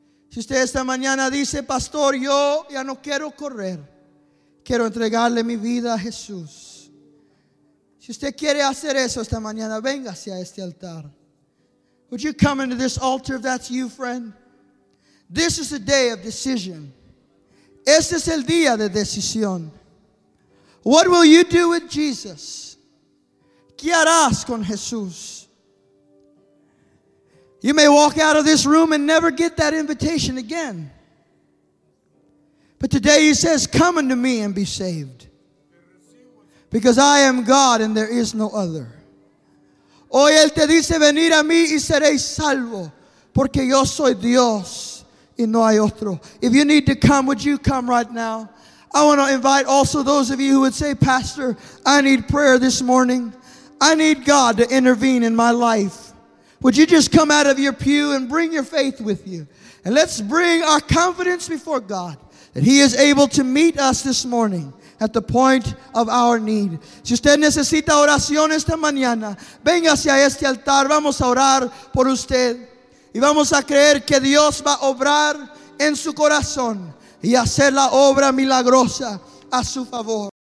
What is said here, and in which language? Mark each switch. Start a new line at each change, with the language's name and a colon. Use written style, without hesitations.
Spanish: Si usted esta mañana dice, Pastor, yo ya no quiero correr. Quiero entregarle mi vida a Jesús. Si usted quiere hacer eso esta mañana, venga hacia este altar.
English: Would you come into this altar if that's you, friend? This is a day of decision.
Spanish: Este es el día de decisión.
English: What will you do with Jesus?
Spanish: ¿Qué harás con Jesús?
English: You may walk out of this room and never get that invitation again. But today he says, come unto me and be saved. Because I am God and there is no other.
Spanish: Hoy él te dice, venir a mí y seréis salvo. Porque yo soy Dios y no hay otro.
English: If you need to come, would you come right now? I want to invite also those of you who would say, Pastor, I need prayer this morning. I need God to intervene in my life. Would you just come out of your pew and bring your faith with you? And let's bring our confidence before God that he is able to meet us this morning at the point of our need.
Spanish: Si usted necesita oración esta mañana, venga hacia este altar. Vamos a orar por usted. Y vamos a creer que Dios va a obrar en su corazón y hacer la obra milagrosa a su favor.